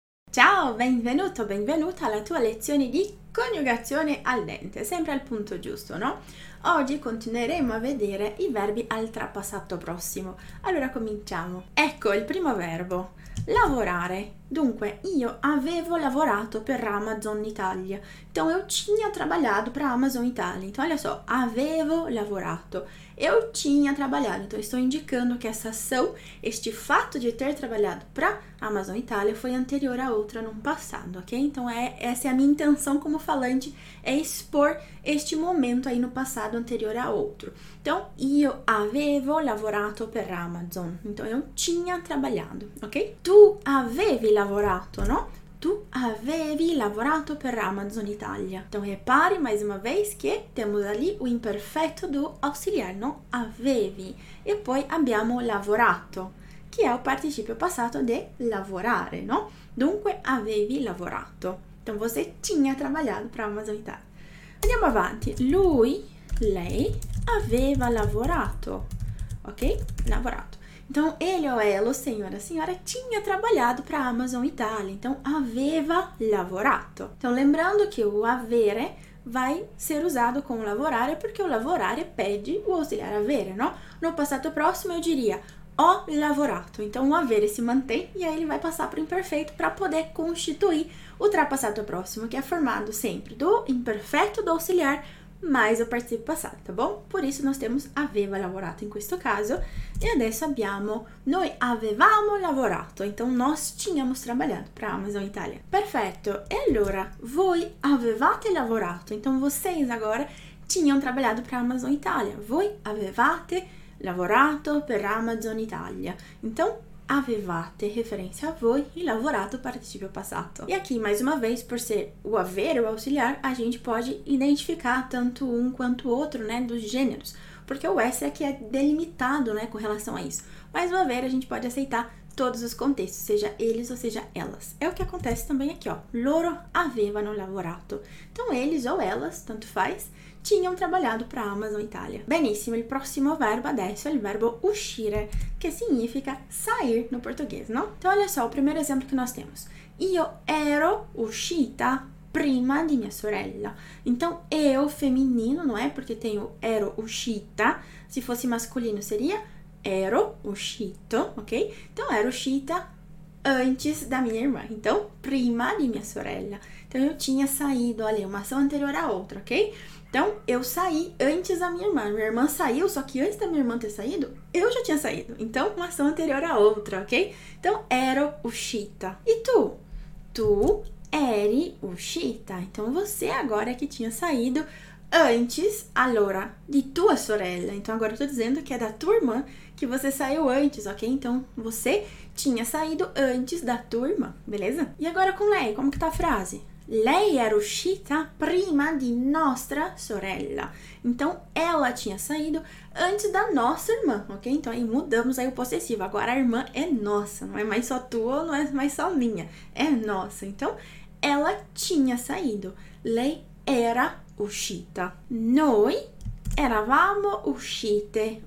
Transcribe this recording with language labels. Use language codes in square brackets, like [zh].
[it] Ciao, benvenuto, benvenuta alla tua lezione di coniugazione al dente, sempre al punto giusto, no? Oggi continueremo a vedere i verbi al trapassato prossimo. Allora, cominciamo. Ecco il primo verbo, lavorare. Dunque, io avevo lavorato per Amazon Italia. [pt] Então, eu tinha trabalhado para Amazon Italia. Então, olha só, [it] avevo lavorato. [pt] Eu tinha trabalhado. Então, estou indicando que essa ação, este fato de ter trabalhado para Amazon Italia, foi anterior à outra num passado, ok? Então, essa é a minha intenção como falante, é expor este momento aí no passado anterior a outro. Então, [it] io avevo lavorato per Amazon. [pt] Então, eu tinha trabalhado, ok? [it] Tu avevi lavorato, no? Tu avevi lavorato per Amazon Italia. [pt] Então, repare mais uma vez que temos ali o imperfeito do auxiliar, no? [it] Avevi. E poi abbiamo lavorato, [pt] que é o participio passato de lavorare, no? [it] Dunque, avevi lavorato. [pt] Então, você tinha trabalhado per Amazon Italia. [it] Andiamo avanti. Lui, lei, aveva lavorato, ok? Lavorato. [pt] Então, ele ou ela, senhora, senhora, tinha trabalhado para a Amazon Italia. Então, [it] aveva lavorato. [pt] Então, lembrando que o avere vai ser usado com lavorare, porque o lavorare pede o auxiliar avere, no? No passato próximo, eu diria [it] ho lavorato. [pt] Então, o avere se mantém e aí ele vai passar para o imperfeito para poder constituir o trapassato próximo, que é formado sempre do imperfeito do auxiliar mais o participio passato, tá bom? Por isso nós temos [it] aveva lavorato in questo caso. E adesso abbiamo noi avevamo lavorato. [pt] Então, nós tínhamos trabalhado para Amazon Italia. [it] Perfetto. E allora, voi avevate lavorato. [pt] Então, vocês agora tinham trabalhado para Amazon Italia. [it] Voi avevate lavorato per Amazon Italia. [pt] Então, avevate, referência a voi, e lavorato, participio passato. E aqui, mais uma vez, por ser o avere, o auxiliar, a gente pode identificar tanto um quanto o outro, né, dos gêneros. Porque o S aqui é delimitado, né, com relação a isso. Mas o avere, a gente pode aceitar todos os contextos, seja eles ou seja elas. É o que acontece também aqui, ó. [it] Loro avevano lavorato. [pt] Então, eles ou elas, tanto faz, tinham trabalhado para a Amazon Italia. [it] Benissimo, il prossimo verbo adesso è il verbo uscire, che significa sair [pt] no português, no? Então, olha só, o primeiro exemplo que nós temos. [it] Io ero uscita prima di mia sorella. [pt] Então, eu feminino, não é? Porque tenho [it] ero uscita. [pt] Se fosse masculino, seria [it] ero uscito, [pt] ok? Então, [it] ero uscita [pt] antes da minha irmã. Então, [it] prima di mia sorella. [pt] Então, eu tinha saído, olha, uma ação anterior à outra, ok? Então, eu saí antes da minha irmã. Minha irmã saiu, só que antes da minha irmã ter saído, eu já tinha saído. Então, uma ação anterior à outra, ok? Então, [it] ero uscita. E tu? Tu eri uscita. [pt] Então, você agora que tinha saído antes, [it] allora, di tua sorella. [pt] Então, agora eu tô dizendo que é da tua irmã que você saiu antes, ok? Então, você tinha saído antes da tua irmã, beleza? E agora com lei, como que tá a frase? [it] Lei era uscita prima di nostra sorella. [pt] Então, ela tinha saído antes da nossa irmã, ok? Então, aí mudamos aí o possessivo. Agora, a irmã é nossa, não é mais só tua, não é mais só minha, é nossa. Então, ela tinha saído. [it] Lei era uscita. Noi eravamo uscite.